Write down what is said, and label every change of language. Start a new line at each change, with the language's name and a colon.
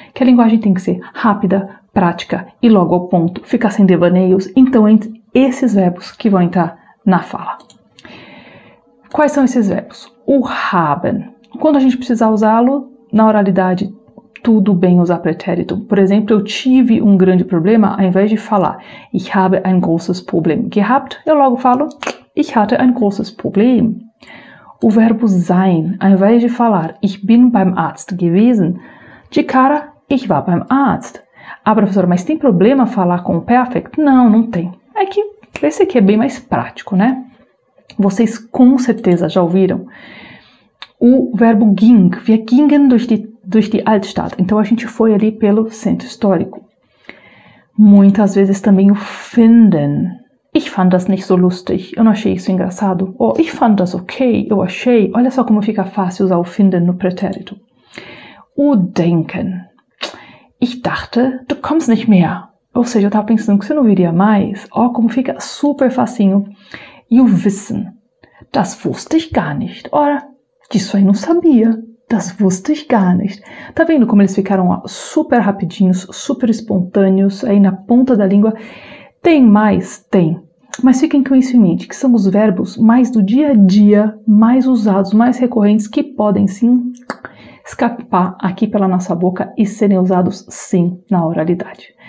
Portuguese: Que a linguagem tem que ser rápida, prática e logo ao ponto, ficar sem devaneios. Então, entre esses verbos que vão entrar na fala. Quais são esses verbos? O haben. Quando a gente precisar usá-lo na oralidade, tudo bem usar pretérito. Por exemplo, eu tive um grande problema, ao invés de falar
German: Ich habe ein großes Problem gehabt,
Portuguese: eu logo falo
German: Ich hatte ein großes Problem.
Portuguese: O verbo sein, ao invés de falar
German: Ich bin beim Arzt gewesen,
Portuguese: de cara,
German: Ich war beim Arzt.
Portuguese: Ah, professora, mas tem problema falar com o perfect? Não, não tem. É que esse aqui é bem mais prático, né? Vocês com certeza já ouviram o verbo ging.
German: Wir gingen durch die Altstadt.
Portuguese: Então a gente foi ali pelo centro histórico. Muitas vezes também o finden.
German: Ich fand das nicht so lustig.
Portuguese: Eu não achei isso engraçado. Ou
German: ich fand das okay.
Portuguese: Eu achei. Olha só como fica fácil usar o finden no pretérito. O denken.
German: Ich dachte, du kommst nicht mehr.
Portuguese: Ou seja, eu estava pensando que você não viria mais. Ó, como fica super facinho. E o wissen.
German: Das wusste ich gar nicht.
Portuguese: Ora, disso aí não sabia.
German: Das wusste ich gar nicht.
Portuguese: Tá vendo como eles ficaram ó, super rapidinhos, super espontâneos, aí na ponta da língua? Tem mais? Tem. Mas fiquem com isso em mente, que são os verbos mais do dia a dia, mais usados, mais recorrentes, que podem sim escapar aqui pela nossa boca e serem usados sim na oralidade.